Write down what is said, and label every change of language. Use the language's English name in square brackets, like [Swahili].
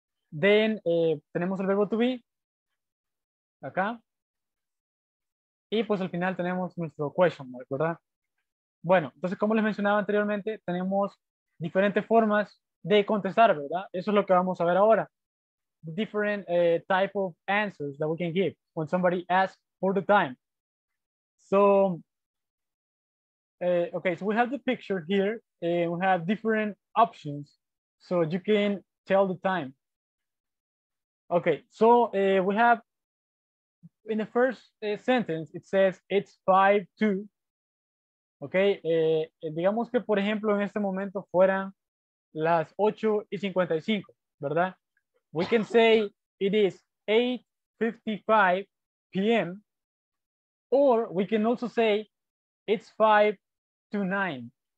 [Spanish] Then, tenemos el verbo to be, acá. Y pues al final tenemos nuestro question mark, ¿verdad? Bueno, entonces como les mencionaba anteriormente, tenemos diferentes formas de contestar, ¿verdad? Eso es lo que vamos a ver ahora. [English] Different type of answers that we can give when somebody asks for the time. So, Okay, so we have the picture here and we have different options so you can tell the time. Okay, so we have in the first sentence, it says it's 5:02. [Spanish] Okay, digamos que por ejemplo en este momento fueran las 8:55, ¿verdad? [English] We can say it is 8:55 p.m. or we can also say it's 5:09.